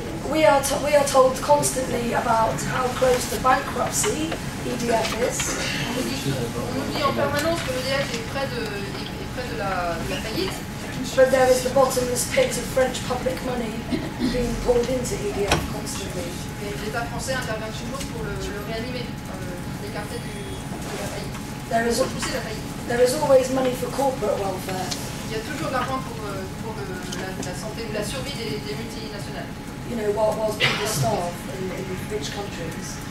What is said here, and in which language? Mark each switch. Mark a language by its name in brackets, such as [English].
[English] We are told constantly about how close to bankruptcy EDF is. [French] On nous dit en permanence que l'EDF est près de la faillite. [English] But there is the bottomless pit of French public money being poured into EDF constantly. [French] Et l'État français intervient toujours pour le réanimer, l'écarter de la faillite. [English] There is [French] pour pousser la faillite. [English] There is always money for corporate welfare. [French] Il y a toujours d'argent pour la santé ou la survie des multinationales. [English] You know, while people starve in rich countries.